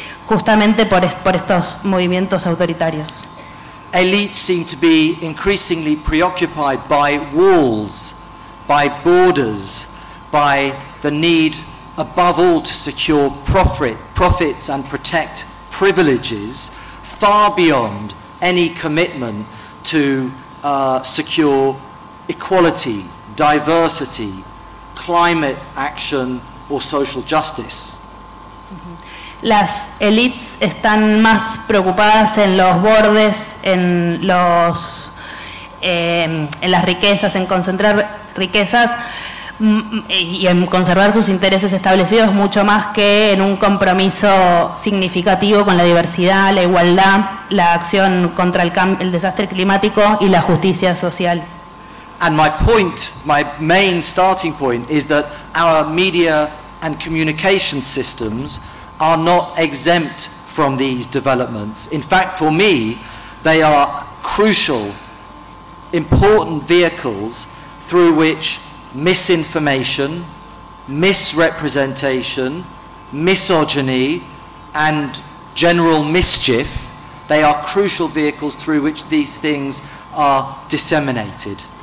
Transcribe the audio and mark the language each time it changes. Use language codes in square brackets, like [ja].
[es] justamente por estos movimientos autoritarios. [en] Elites seem to be increasingly preoccupied by walls, by borders, by the need above all to secure profits and protect privileges far beyond any commitment to secure equality, diversity, climate action or social justice. [es] Las élites están más preocupadas en los bordes, en los en las riquezas, en concentrar riquezas y en conservar sus intereses establecidos mucho más que en un compromiso significativo con la diversidad, la igualdad, la acción contra el desastre climático y la justicia social. [en] And my point, my main starting point, is that our media and communication systems are not exempt from these developments. In fact, for me, they are crucial, important vehicles through which misinformation, misrepresentation, misogyny, and general mischief, they are crucial vehicles through which these things are disseminated.